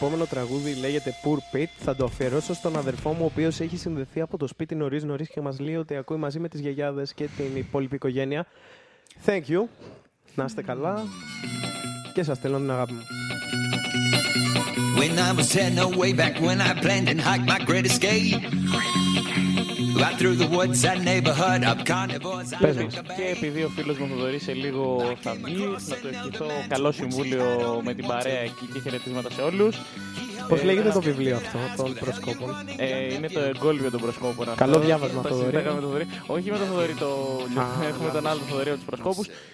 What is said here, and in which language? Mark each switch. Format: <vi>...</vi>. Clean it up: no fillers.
<el>Τραγούδι λέγεται Poor Pete. Θα το αφιερώσω στον αδερφό μου, ο οποίος έχει συνδεθεί από το σπίτι νωρίς και μας λέει ότι ακούει μαζί με τις γιαγιάδες και την υπόλοιπη οικογένεια.</el> <en>Thank you.</en> <el>Να είστε καλά. Και σας στέλνω την αγάπη μου.</el> <en>When I was heading away back when I planned and hiked my great escape. Right through the woods and neighborhood of carnivores.</en> <el>Και επειδή ο φίλος μου Θοδωρής σε λίγο θα βγει, να του ευχηθώ καλό συμβούλιο με την παρέα εκεί και χαιρετίσματα σε όλους. Πώς λέγεται το βιβλίο αυτό των προσκόπων? Είναι το εγκόλυβο των προσκόπων. Καλό διάβασμα, Θοδωρή. Όχι με τον Θοδωρή, έχουμε τον άλλο Θοδωρή από τους προσκόπους.</el>